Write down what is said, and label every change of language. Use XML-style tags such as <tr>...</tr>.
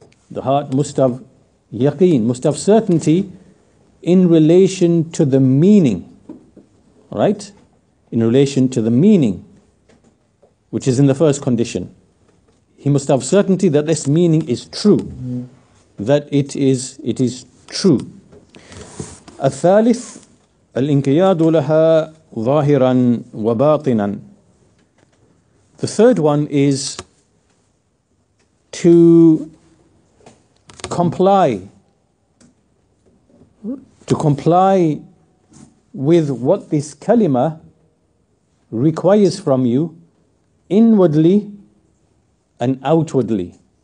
<en>The heart must have yaqeen, must have certainty in relation to the meaning. Right? In relation to the meaning, which is in the first condition. He must have certainty that this meaning is true. that it is true.</en> <ar>الثالث الانقياد لها ظاهرا وباطنا.</ar> <en>The third one is to comply. To comply with what this kalima requires from you inwardly and outwardly.</en>